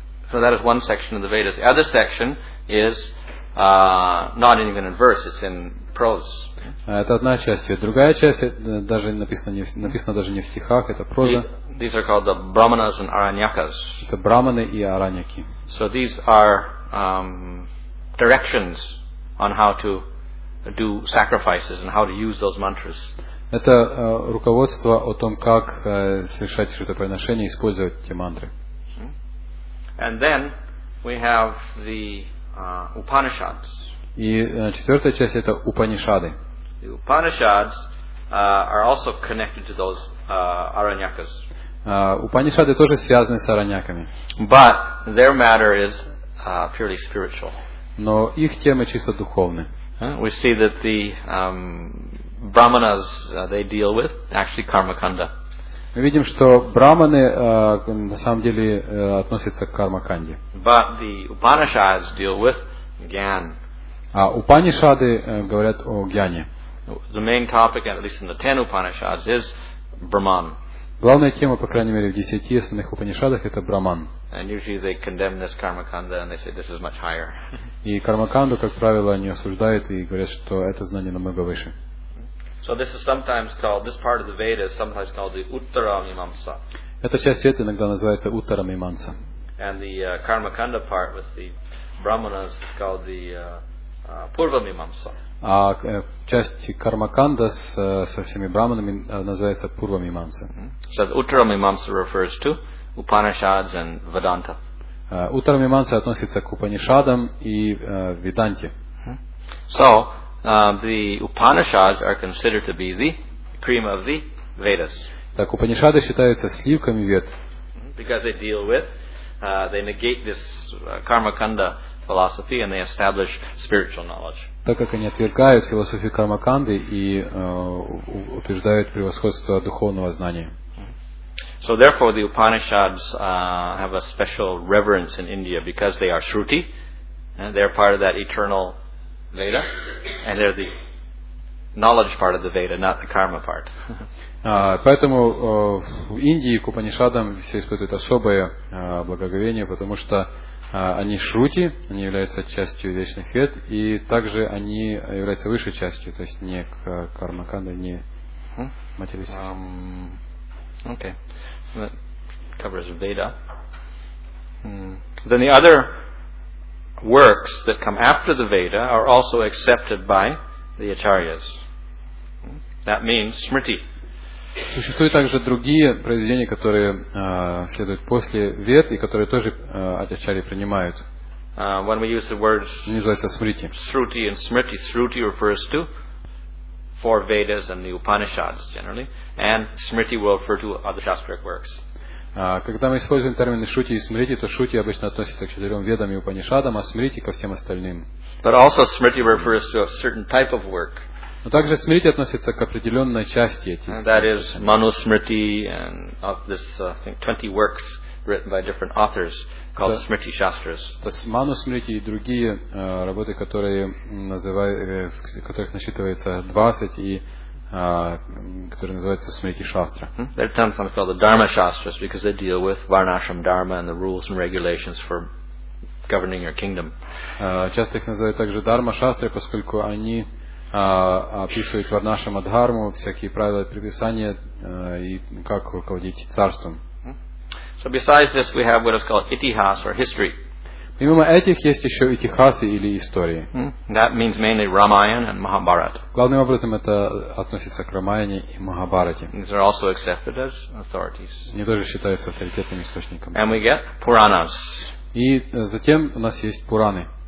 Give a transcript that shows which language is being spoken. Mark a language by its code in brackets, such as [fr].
[en] So that is one section of the Vedas. The other section is not even in verse, it's in prose. [ru] Это одна часть. Другая часть даже написана даже не в стихах, это проза. [en] These are called the Brahmanas and Aranyakas. [ru] Это Брахманы и Араньяки. [en] So these are directions on how to do sacrifices and how to use those mantras. [ru] Это руководство о том, как совершать жертвоприношения, использовать эти мантры. [en] And then we have the Upanishads. [ru] И четвертая часть это Упанишады. [en] The Upanishads are also connected to those Aranyakas. [ru] Упанишады тоже связаны с Араньяками. [en] But their matter is purely spiritual. [ru] Но их темы чисто духовные. [en] We see that the Brahmanas they deal with actually Karmakanda. [ru] Мы видим, что Брахманы на самом деле относятся к Кармаканде. [en] But the Upanishads deal with Gyan. [ru] А Упанишады говорят о Гьяне. [en] The main topic, at least in the 10 Upanishads, is Brahman. [ru] Главная тема, по крайней мере, в 10 основных Упанишадах, это Брахман. [en] And usually they condemn this Karmakanda and they say this is much higher. [ru] И Кармаканду, как правило, они осуждают и говорят, что это знание намного выше. [en] So this is sometimes called, this part of the Veda is sometimes called the Uttara Mimamsa. [ru] Эта часть Веды иногда называется Uttara Mimamsa. [en] And the Karmakanda part with the Brahmanas is called the Purva Mimamsa. [ru] А часть Кармаканда со всеми Брахманами называется Purva Mimamsa. [en] So the Uttara Mimamsa refers to Upanishads and Vedanta. [ru] Uttara Mimamsa относится к Упанишадам и Веданте. [en] So the Upanishads are considered to be the cream of the Vedas. [ru] Так Упанишады считаются сливками Вед. [en] Because they deal with, they negate this Karmakanda philosophy and they establish spiritual knowledge. [ru] Так как они отвергают философию Кармаканды и утверждают превосходство духовного знания. [en] So therefore the Upanishads have a special reverence in India because they are Shruti and they are part of that eternal Veda and they're the knowledge part of the Veda, not the karma part. [ru] Поэтому в Индии к Упанишадам все испытывают особое благоговение, потому что они Шрути, они являются частью вечных Вед, и также они являются высшей частью, то есть не к Кармаканда, не материалистической. [en] Okay. That covers Veda. Then the other works that come after the Veda are also accepted by the Acharyas. That means Smriti. [ru] Существуют также другие произведения, которые следуют после Вед и которые тоже Ачарьи принимают. [en] When we use the words [ru] называется Смрити. [en] Shruti and Smriti, Shruti refers to four Vedas and the Upanishads generally, and Smriti will refer to other Shastric works. [ru] Когда мы используем термины Шрути и Смрити, то Шрути обычно относится к четырем Ведам и Упанишадам, а Смрити ко всем остальным. [en] But also Smriti refers to a certain type of work. [ru] Но также Смрити относится к определенной части этих. [en] And that is Manusmriti and of this I think 20 works written by different authors called Smriti Shastras. [ru] То есть Манусмрити и другие работы, которых насчитывается 20 и которые называются Смрити Шастра. [en] They're sometimes called the Dharma Shastras because they deal with Varnashram Dharma and the rules and regulations for governing your kingdom. [ru] Часто их называют также Дарма Шастры, поскольку они описывают Варнашрам Дхарму, всякие правила приписания и как руководить царством. [en] So besides this, we have what is called itihas or history. [ru] Помимо этих есть еще итихасы или истории. [en] That means mainly Ramayana and Mahabharata. [ru] Главным образом это относится к Рамаяне и Махабарате. [en] These are also accepted as authorities. [ru] Они тоже считаются авторитетными источниками. [en] And we get Puranas. [ru] И затем у нас есть Пураны.